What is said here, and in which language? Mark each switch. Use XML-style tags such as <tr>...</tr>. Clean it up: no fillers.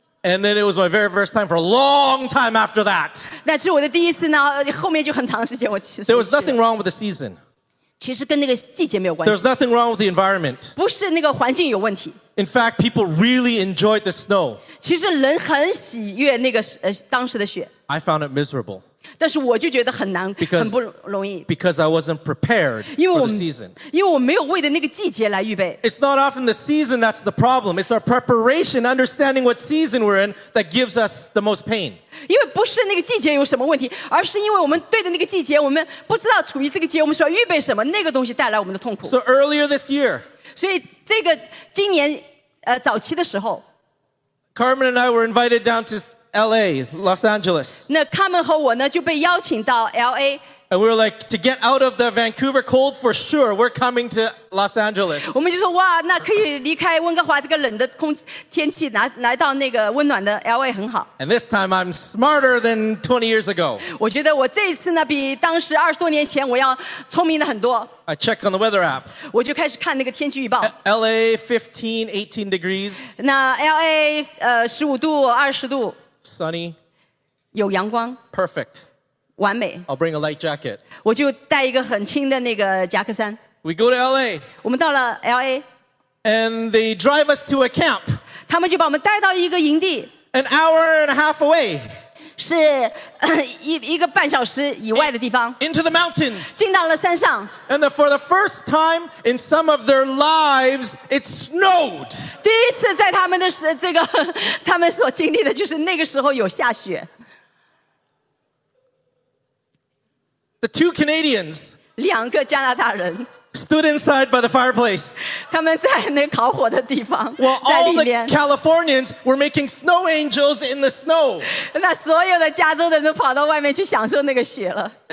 <en>And then it was my very first time for a long time after that.</en> <zh>那是我的第一次呢后面就很长时间我其实。</zh> <en>There was nothing wrong with the season.</en> <zh>其实跟那个季节没有关系。</zh> <en>There's nothing wrong with the environment.</en> <zh>不是那个环境有问题。</zh> <en>In fact, people really enjoyed the snow.</en> <zh>其实人很喜悦那个当时的雪。</zh> <en>I found it miserable.</en> <zh>但是我就觉得很难</zh> <en>because,</en> <zh>很不容易。</zh> <en>Because I wasn't prepared for the season.</en> <zh>因为我没有为的那个季节来预备。</zh> <en>It's not often the season that's the problem. It's our preparation, understanding what season we're in that gives us the most pain.</en> <zh>因为不是那个季节有什么问题而是因为我们对的那个季节我们不知道处于这个节我们需要预备什么那个东西带来我们的痛苦。</zh> <en>So earlier this year,</en> <zh>所以这个今年早期的时候</zh> <en>Carmen and I were invited down to LA, Los Angeles.</en> <zh>那 Carmen 和我呢就被邀请到 LA.</zh> <en>And we were like, to get out of the Vancouver cold for sure, we're coming to Los Angeles.</en> <zh>我们就说哇那可以离开温哥华这个冷的空天气来到那个温暖的 LA 很好。</zh> <en>And this time I'm smarter than 20 years ago.</en> <zh>我觉得我这一次呢比当时二十多年前我要聪明的很多。</zh> <en>I check on the weather app.</en> <zh>我就开始看那个天气预报。</zh> <en>LA 15, 18 degrees.</en> <zh>那 LA 15度20度。</zh> <en>Sunny.</en> <zh>有阳光。</zh> <en>Perfect.</en> <zh>完美。</zh> <en>I'll bring a light jacket.</en> <zh>我就带一个很轻的那个夹克衫。</zh> <en>We go to LA.</en> <zh>我们到了 LA.</zh> <en>And they drive us to a camp.</en> <zh>他们就把我们带到一个营地。</zh> <en>An hour and a half away.</en> <zh>是一个半小时以外的地方。</zh> <en>Into the mountains.</en> <zh>进到了山上。</zh> <en>And for the first time in some of their lives, it snowed.</en> <zh>第一次在他们的这个他们所经历的就是那个时候有下雪。</zh> <en>The two Canadians</en> <zh>两个加拿大人</zh> <en>stood inside by the fireplace.</en> <zh>他们在那烤火的地方</zh> <en>While all the Californians were making snow angels in the snow.</en> <zh>那所有的加州的人都跑到外面去享受那个雪了</zh>